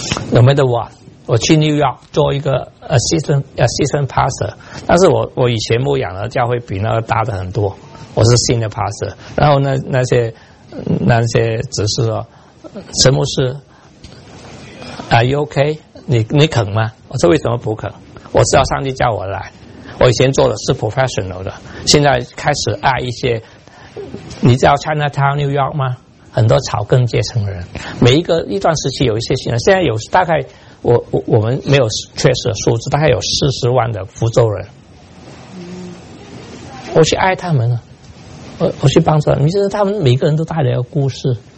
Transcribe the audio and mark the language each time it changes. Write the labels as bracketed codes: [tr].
[en] No matter what， [zh] 我去 New York 做一个 assistant pastor， 但是我以前牧养的教会比那个大的很多，我是 senior pastor。然后那些只是说，陈牧师。 [en] Are you okay？ [zh] 你肯吗？我说为什么不肯？我知道上帝叫我来。我以前做的是 professional 的，现在开始爱一些。你知道 Chinatown New York 吗？很多草根阶层的人，每一个一段时期有一些新人。现在有大概我们没有确实的数字，大概有40万的福州人。我去爱他们了，我去帮助他们。你知道他们每个人都带来了故事。